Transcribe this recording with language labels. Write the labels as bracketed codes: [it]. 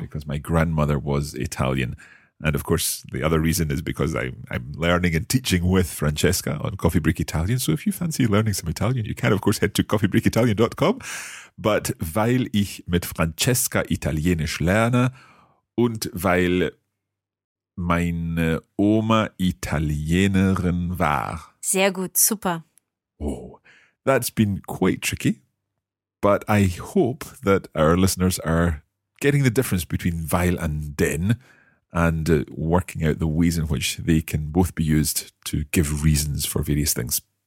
[en] Because my grandmother was Italian. And of course, the other reason is because I'm learning and teaching with Francesca on Coffee Break Italian. So if you fancy learning some Italian, you can, of course, head to coffeebreakitalian.com. [de] But weil ich mit Francesca Italienisch lerne und weil meine Oma Italienerin war. Sehr gut, super. [en] Oh, that's been quite tricky. But I hope that our listeners are getting the difference between weil and denn. And working out the ways in which they can both be used to give reasons for various things.